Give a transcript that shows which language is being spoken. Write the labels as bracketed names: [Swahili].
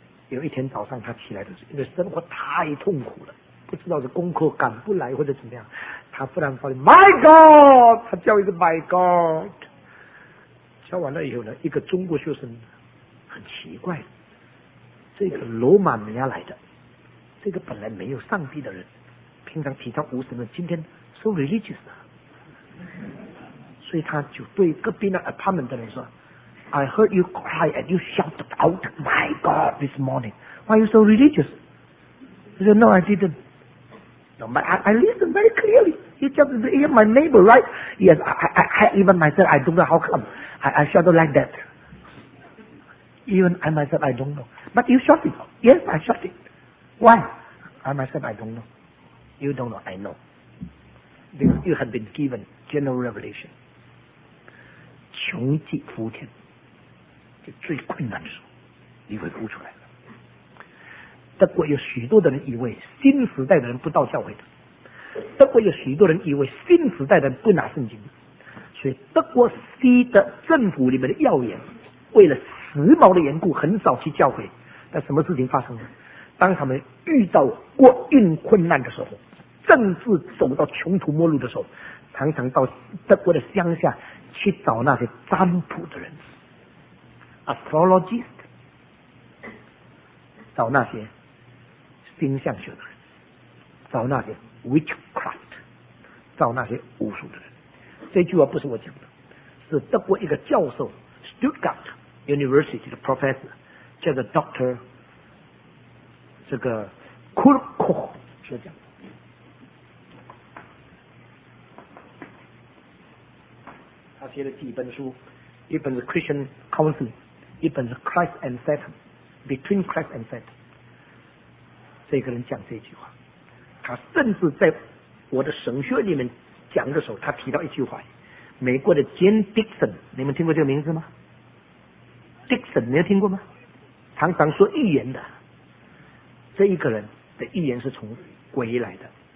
[Chinese] 有一天早上他起来的时候，因为生活太痛苦了，不知道是功课赶不来或者怎么样，他忽然发现 [English] My God， [Chinese] 他叫一个 [English] My God。 [Chinese] 叫完了以后呢，一个中国学生很奇怪，这个罗马尼亚来的，这个本来没有上帝的人，平常提倡无神论，今天 [English] so religious [Chinese] 啊。所以他就对隔壁那 apartment 的人说 [English] I heard you cry and you shouted out My God this morning, why are you so religious? He said, no I didn't, no, but I listened very clearly, you just hear my neighbor right? Yes, I even myself I don't know how come I shouted like that, even I myself I don't know, but you shouted, yes I shouted, why? I myself I don't know, you don't know, I know, because you have been given general revelation. [Chinese] 穷极福天，就最困难的时候你会哭出来了。德国有许多的人以为新时代的人不到教会的，德国有许多人以为新时代的人不拿圣经，所以德国西德政府里面的要员为了时髦的缘故很少去教会。但什么事情发生了？当他们遇到国运困难的时候，政治走到穷途末路的时候，常常到德国的乡下去找那些占卜的人 astrologist， 找那些星象学的人，找那些 witchcraft， 找那些巫术的人。这句话不是我讲的，是德国一个教授 Stuttgart University 的 professor 叫做 Dr. 这个 Kurkoch 学讲的。他写了几本书，一本是 Christian Counseling， 一本是 Christ and Satan， Between Christ and Satan。这个人讲这句话，他甚至在我的神学里面讲的时候，他提到一句话，美国的 Jane Dixon， 你们听过这个名字吗？Dixon 你有听过吗？常常说预言的这一个人的预言是从鬼来的。